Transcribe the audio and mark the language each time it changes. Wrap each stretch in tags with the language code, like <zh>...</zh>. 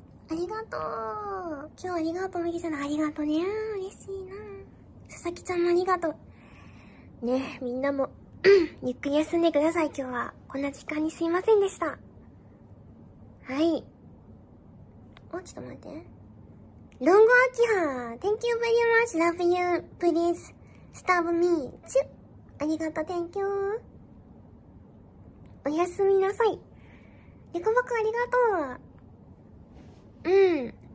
<ja>ありがとう。今日ありがとう、麦ちゃん。ありがとうね。嬉しいな。佐々木ちゃんもありがとう。ねえ、みんなも、ゆっくり休んでください、今日は。こんな時間にすいませんでした。はい。お、ちょっと待って。</ja> <en>ロングアキハ !Thank you very much! Love you! Please! Stop me!</en> <ja>チュありがとう、</ja> <en>Thank you!</en> <ja>おやすみなさい。猫バカありがとう。うん。</ja>